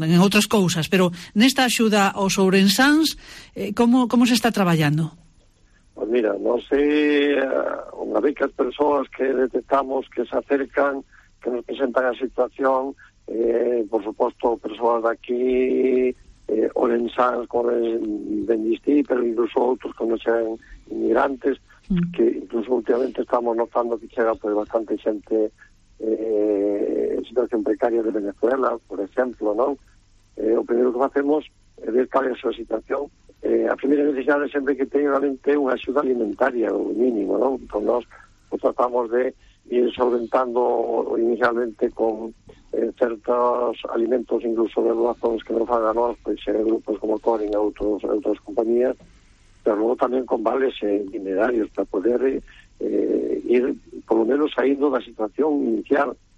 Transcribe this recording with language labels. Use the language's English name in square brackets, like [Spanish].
[Galician] En outras cousas, pero nesta axuda aos ourensáns, como se está traballando? [Spanish] Pues mira, no sé, una vez que las personas que detectamos que se acercan, que nos presentan la situación, por supuesto, personas de aquí, orensanos, como bendistí, pero incluso otros que no sean inmigrantes, que incluso últimamente estamos notando que llega pues bastante gente en situación precaria de Venezuela, por ejemplo, ¿no? Lo primero que hacemos es ver cuál es su situación. [Galician] A primeira necesidade sempre que teñen realmente unha axuda alimentaria, o mínimo, non? Entón, nos tratamos de ir solventando inicialmente con certos alimentos, incluso de doazóns que nos fagan nós, pois, grupos como Corin e outras compañías, pero logo tamén con vales dinerarios para poder ir, por lo menos, saindo da situación inicial.